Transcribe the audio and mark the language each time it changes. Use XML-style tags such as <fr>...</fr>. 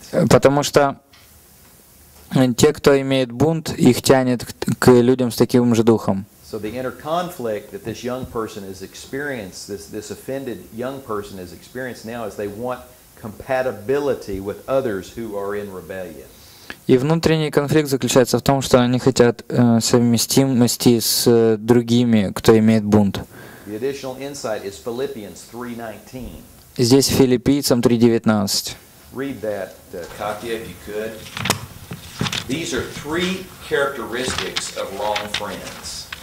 <ru>Потому что те, кто имеет бунт, их тянет к людям с таким же духом.</ru> <en>So the inner conflict that this young person has experienced, this offended young person has experienced now, is they want compatibility with others who are in rebellion.</en> <ru>И внутренний конфликт заключается в том, что они хотят совместимости с другими, кто имеет бунт. Здесь Филиппийцам 3:19.</ru>